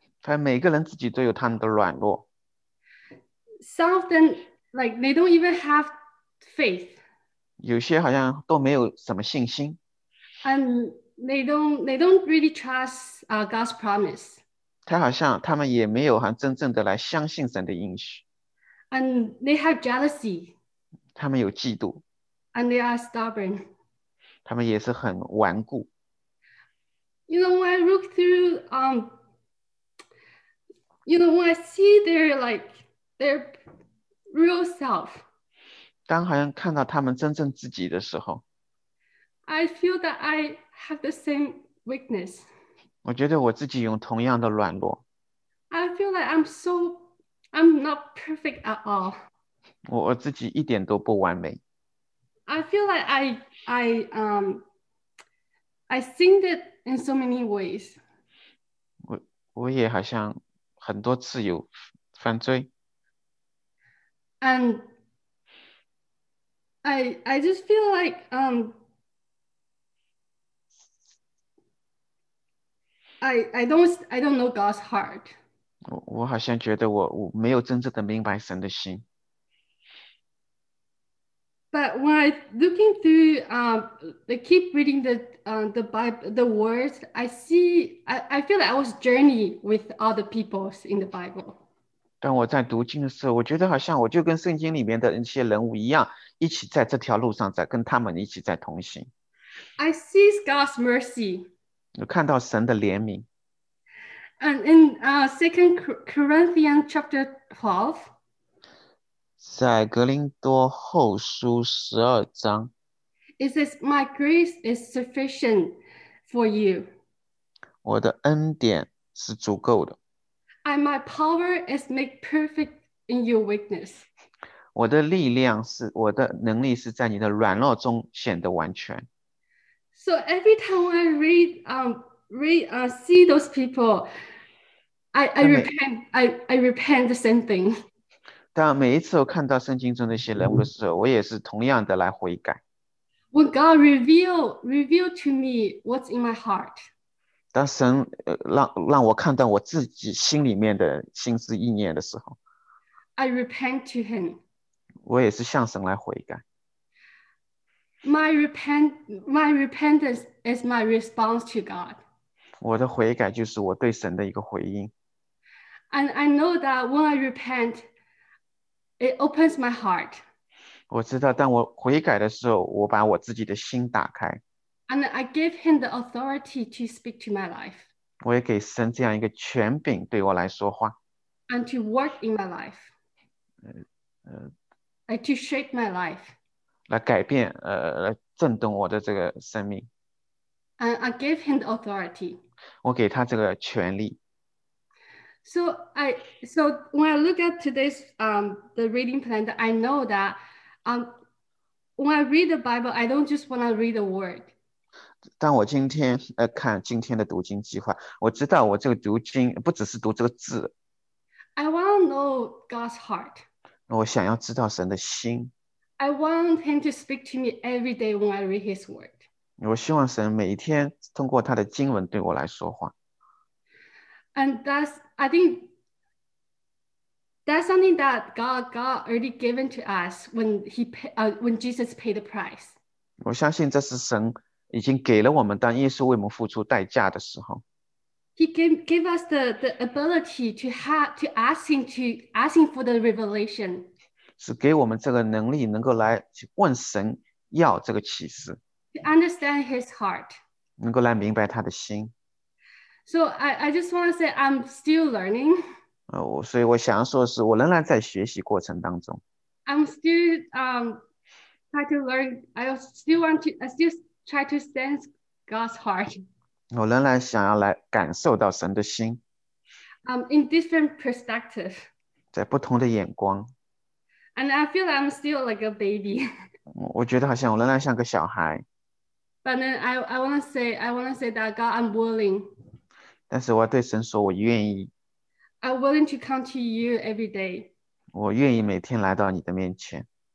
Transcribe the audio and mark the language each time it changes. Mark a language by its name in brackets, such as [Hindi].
[Chinese] 他每个人自己都有他们的软弱。 [English] Some of them, they don't even have faith. [Chinese] 有些好像都没有什么信心， [English] And they don't really trust God's promise. [Chinese] 他们也没有很真正的来相信神的应许， [English] And they have jealousy. [Chinese] 他们有嫉妒， [English] And they are stubborn. [Chinese] 他们也是很顽固。 [English] When I look through, when I see their real self, [Chinese] 当好像看到他们真正自己的时候， [English] I feel that I have the same weakness. [Chinese] 我觉得我自己有同样的软弱。 [English] I feel like I'm not perfect at all. [Chinese] 我自己一点都不完美。 [English] I feel like I sinned it in so many ways. [Chinese] 我也好像很多次有犯罪。 [English] And I just feel like I don't know God's heart. [Chinese] 我好像觉得我没有真正的明白神的心。 [English] But when I looking through I keep reading the Bible, the words, I feel like I was journey with all the peoples in the Bible. [Chinese] 当我在读经的时候，我觉得好像我就跟圣经里面的一些人物一样，一起在这条路上，在跟他们一起在同行。 [English] I see God's mercy. [Chinese] 我看到神的怜悯。 [English] And in 2 Corinthians chapter 12, [Chinese] 在格林多后书十二章, [English] it says, my grace is sufficient for you. [Chinese] 我的恩典是足够的。 [English] And my power is made perfect in your weakness. [Chinese] 我的力量是,我的能力是在你的软弱中显得完全。 [English] So every time I read, see those people, I repent the same thing. [Chinese] 当每一次我看到圣经中那些人物的时候，我也是同样的来悔改。 [English] When God reveal to me what's in my heart. [Chinese] 当神让我看到我自己心里面的心思意念的时候 [English] ，I repent to Him. [Chinese] 我也是向神来悔改。 [English] My repentance is my response to God. [Chinese] 我的悔改就是我对神的一个回应。 [English] And I know that when I repent, it opens my heart. [Chinese] 我知道当我悔改的时候，我把我自己的心打开。 [English] And I give Him the authority to speak to my life. [Chinese] 我也给神这样一个权柄对我来说话。 [English] And to work in my life. Like to shape my life. [Chinese] 来改变来震动我的这个生命。 [English] And I give Him the authority. [Chinese] 我给他这个权利。 [English] So when I look at today's the reading plan, I know that when I read the Bible, I don't just want to read a word. [Chinese] 当我今天看今天的读经计划，我知道我这个读经不只是读这个字。 [English] I want to know God's heart. [Chinese] 我想要知道神的心。 [English] I want Him to speak to me every day when I read His word. [Chinese] 我希望神每一天通过他的经文对我来说话。 [English] And that's, I think, that's something that God already given to us when Jesus paid the price. [Chinese] 我相信这是神已经给了我们当耶稣为我们付出代价的时候。 [English] He gave us the ability to ask him for the revelation. [Chinese] 是给我们这个能力能够来问神要这个启示。 [English] To understand his heart. [Chinese] 能够来明白他的心。 [English] So I just want to say I'm still learning. [Chinese] 所以我想要说的是我仍然在学习过程当中。 [English] I'm still try to learn. I still try to sense God's heart. [Chinese] 我仍然想要来感受到神的心。 [English] In different perspective. [Chinese] 在不同的眼光。 [English] And I feel like I'm still like a baby. [Chinese] 我觉得好像我仍然像个小孩。 [English] But then I want to say that God, I'm willing. [Chinese] 但是我要对神说我愿意。 [English] I'm willing to come to you every day. [Chinese] 我愿意每天来到你的面前。